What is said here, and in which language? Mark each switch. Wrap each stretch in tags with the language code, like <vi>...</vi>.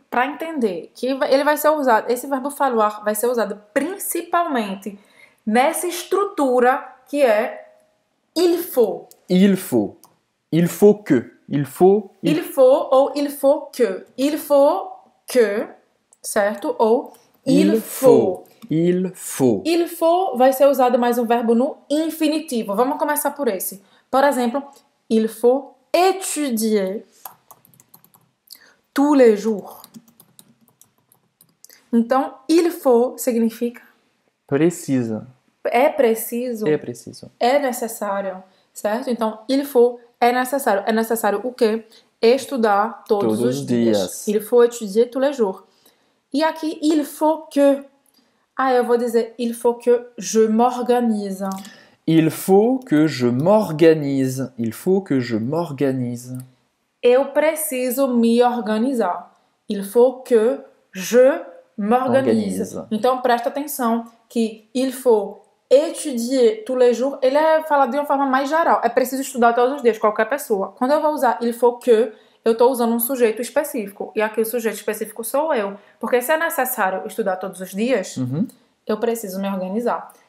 <pt>para entender que ele vai ser usado, esse verbo falloir vai ser usado principalmente nessa estrutura que é</pt> <fr>il faut. Il faut que, il faut, Il faut ou il faut que. Il faut que, certo? Ou il faut. il faut. Il faut</fr> <pt>vai ser usado mais um verbo no infinitivo. Vamos começar por esse. Por exemplo,</pt> <fr>il faut étudier tous les jours.</fr> <pt>Então,</pt> <fr>il faut</fr> <pt>significa Precisa. é É preciso, preciso. é necessário, certo? Então,</pt> <fr>il faut</fr> <pt>é necessário. É necessário o quê? Estudar todos Todos os os dias. dias.</pt> <fr>Il faut étudier tous les jours.</fr> <pt>E aqui,</pt> <fr>il faut que.</fr> <pt>Ah, eu vou dizer,</pt> <fr>il faut que je m'organise. Il faut que je m'organise. Il faut que je m'organise.</fr> <pt>Eu preciso me organizar.</pt> <fr>Il faut que je m'organise. Organise.</fr> <pt>Então, presta atenção que</pt> <fr>il faut étudier tous les jours,</fr> <pt>ele é falado de uma forma mais geral. É preciso estudar todos os dias, qualquer pessoa. Quando eu vou usar</pt> <fr>il faut que,</fr> <pt>eu estou usando um sujeito específico. E aqui o sujeito específico sou eu. Porque se é necessário estudar todos os dias, eu preciso me organizar.</pt>